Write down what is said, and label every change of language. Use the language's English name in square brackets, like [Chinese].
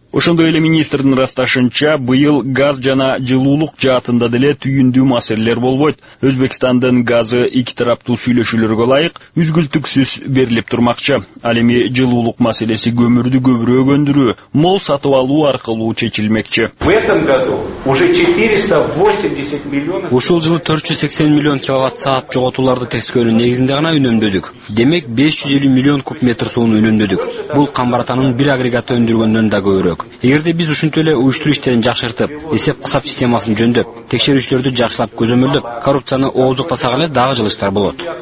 [Kyrgyz] Ошондой эле министрдин расташынча, быйыл газ жана жылуулук жаатында деле түйүндүү маселелер болбойт. Өзбекстандын газы эки тараптуу сүйлөшүүлөргө ылайык үзгүлтүксүз берилип турмакчы. Ал эми жылуулук маселеси көмүрдү көбүрөөк өндүрүү, мол сатып алуу аркылуу чечилмекчи. [Russian] В этом году уже 480 миллионов. [Kyrgyz] Ушул жылы 480 миллион киловатт-саат жоготууларды тескөөнүн негизинде гана үнөмдөдүк. Демек 550 миллион куб метр сууну үнөмдөдүк. Бул камбаратанын бир агрегаты өндүргөндөн да көбүрөөк. Эгерде биз ушинтип эле уюштуруу иштерин жакшыртып, эсеп кысап системасын жөндөп, текшерүүчүлөрдү жакшылап көзөмөлдөп, коррупцияны ооздуктасак эле дагы жылыштар болот.